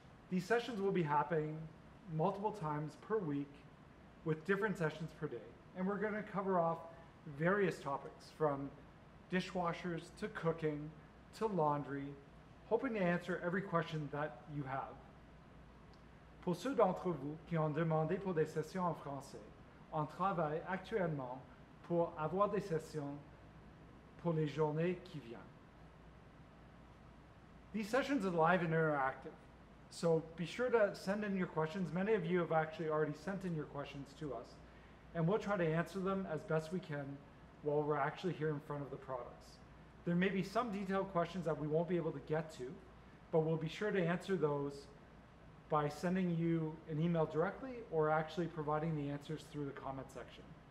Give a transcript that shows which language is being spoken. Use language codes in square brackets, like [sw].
[en] These sessions will be happening multiple times per week with different sessions per day. And we're going to cover off various topics from dishwashers to cooking to laundry, hoping to answer every question that you have. [fr] Pour ceux d'entre vous qui ont demandé pour des sessions en français, on travaille actuellement pour avoir des sessions pour les journées qui viennent. [en] These sessions are live and interactive, so be sure to send in your questions. Many of you have actually already sent in your questions to us, and we'll try to answer them as best we can while we're actually here in front of the products. There may be some detailed questions that we won't be able to get to, but we'll be sure to answer those by sending you an email directly or actually providing the answers through the comment section.